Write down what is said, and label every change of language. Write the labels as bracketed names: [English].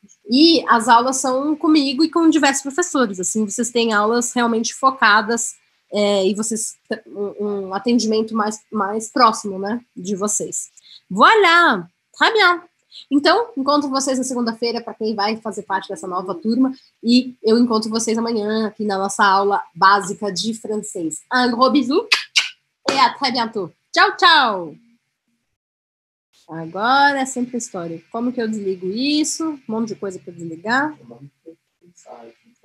[Portuguese] E as aulas são comigo e com diversos professores. Assim, vocês têm aulas realmente focadas e vocês um atendimento mais próximo, né, de vocês. [French] Voilà! Très bien! [Portuguese] Então, encontro vocês na segunda-feira para quem vai fazer parte dessa nova turma. E eu encontro vocês amanhã aqui na nossa aula básica de francês. [French] Un gros bisou et à très bientôt! [Portuguese] Tchau, tchau! Agora é sempre a história. Como que eu desligo isso? Um monte de coisa para desligar.